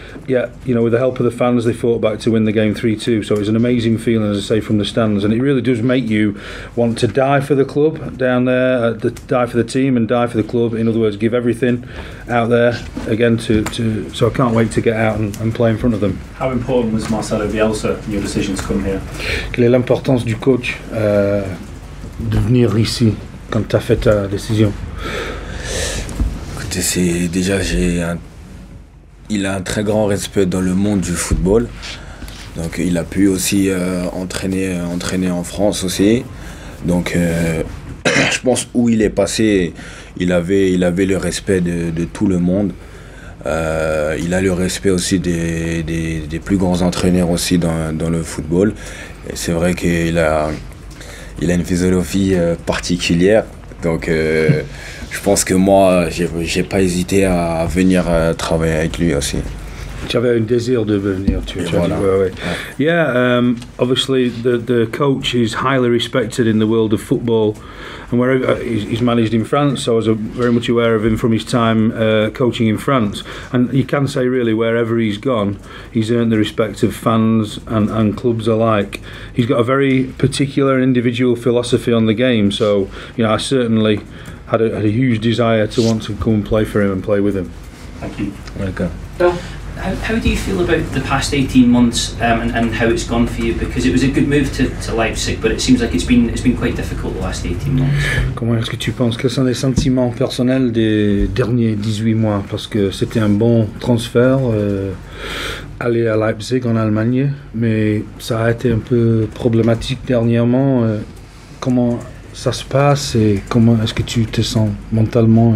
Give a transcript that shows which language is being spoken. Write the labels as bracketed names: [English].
[English] yeah, you know, with the help of the fans, they fought back to win the game 3-2. So it was an amazing feeling, as I say, from the stands. And it really does make you want to die for the club down there, die for the team and die for the club. In other words, give everything out there again. So I can't wait to get out and play in front of them. How important was Marcelo Bielsa in your decision to come here? [French] Quelle est l'importance du coach de venir ici quand t'as fait ta décision? Écoutez, c'est déjà, il a un très grand respect dans le monde du football. Donc il a pu aussi entraîner en France aussi. Donc je pense où il est passé, il avait le respect de tout le monde. Il a le respect aussi des plus grands entraîneurs aussi dans le football. Et c'est vrai qu'il a une philosophie particulière. Donc je pense que moi, j'ai pas hésité à venir travailler avec lui aussi. Tu avais un désir de venir, [English] Yeah, obviously the coach is highly respected in the world of football, and where he's managed in France, so I was very much aware of him from his time coaching in France. And you can say really, wherever he's gone, he's earned the respect of fans and clubs alike. He's got a very particular individual philosophy on the game, so you know, I certainly had a huge desire to want to come and play for him and play with him. Thank you. Okay. How do you feel about the past 18 months and how it's gone for you? Because it was a good move to Leipzig, but it seems like it's been quite difficult the last 18 months. [French] Comment est-ce que tu penses? Quels sont les sentiments personnels des derniers 18 mois? Parce que c'était un bon transfert, aller à Leipzig en Allemagne, mais ça a été un peu problématique dernièrement. Comment ça se passe et comment est-ce que tu te sens mentalement?